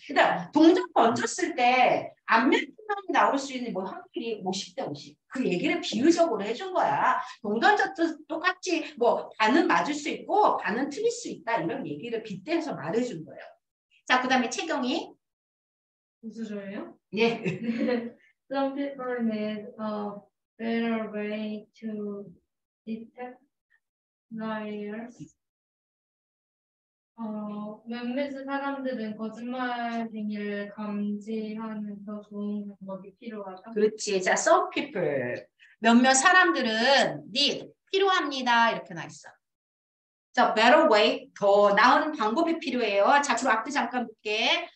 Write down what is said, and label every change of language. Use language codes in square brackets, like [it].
[ko] 일단 동전 던졌을 때 안면이 나올 수 있는 뭐 확률이 50대 50. 그 얘기를 비유적으로 해준 거야. 동전 던졌을 때 똑같이 뭐 반은 맞을 수 있고 반은 틀릴 수 있다. 이런 얘기를 빗대서 말해준 거예요. 자, 그 다음에 채경이. 무슨 소리예요? 예. [en] Some people need a better way to detect liars. [ko] 몇몇 사람들은 거짓말쟁이를 감지하는 더 좋은 방법이 필요하다. 그렇지. 자, [en] some people. [ko] 몇몇 사람들은 need, 필요합니다. 이렇게 나 있어. 자, [en] better way, [ko] 더 나은 방법이 필요해요. 자, 그럼 앞뒤 잠깐 볼게.